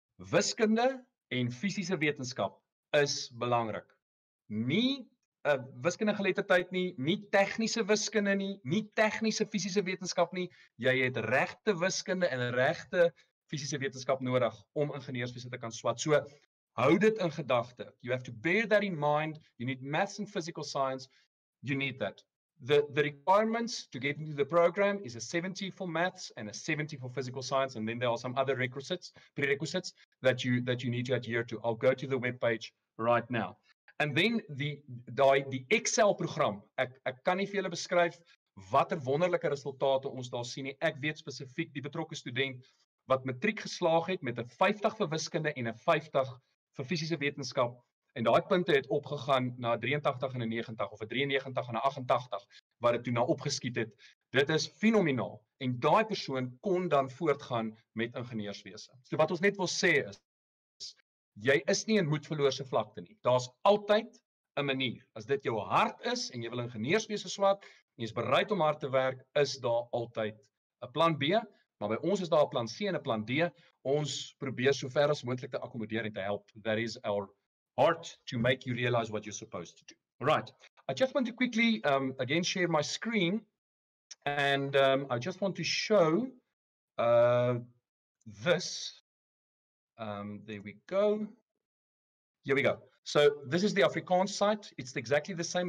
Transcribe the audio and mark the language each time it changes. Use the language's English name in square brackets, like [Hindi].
[Afrikaans] Wiskunde en fisiese wetenskap is belangrik. Nie 'n wiskundegeletterdheid nie, nie tegniese wiskunde nie, nie tegniese fisiese wetenskap nie. Jy het regte wiskunde en regte fisiese wetenskap nodig om ingenieurswese te kan swat. So hou dit in gedagte. [English] You have to bear that in mind. You need maths and physical science. You need that. The requirements to get into the program is a 70 for maths and a 70 for physical science, and then there are some other prerequisites that you need to adhere to. I'll go to the webpage right now. And then the Excel program. [Afrikaans] Ek kan nie vir julle beskryf watter wonderlike resultate ons daar sien nie. Ek weet spesifiek die betrokke student wat matriek geslaag het met 'n 50 vir wiskunde en 'n 50 vir fisiese wetenskap. En daai punte het opgegaan na 83 en 90 of 93 en 88 wat dit toe na opgeskiet het. Dit is fenomenaal en daai persoon kon dan voortgaan met ingenieurswese. So wat ons net wil sê is jy is nie in moedverloorse vlakte nie. Daar's altyd 'n manier. As dit jou hart is en jy wil ingenieurswese swat, jy is bereid om hard te werk, is daar altyd 'n plan B, maar by ons is daar 'n plan C en 'n plan D. Ons probeer so ver as moontlik te akkommodeer en te help. [English] That is our heart to make you realize what you're supposed to do. All right. I just want to quickly again share my screen, and I just want to show this. There we go. Here we go. So this is the Afrikaans site. It's exactly the same.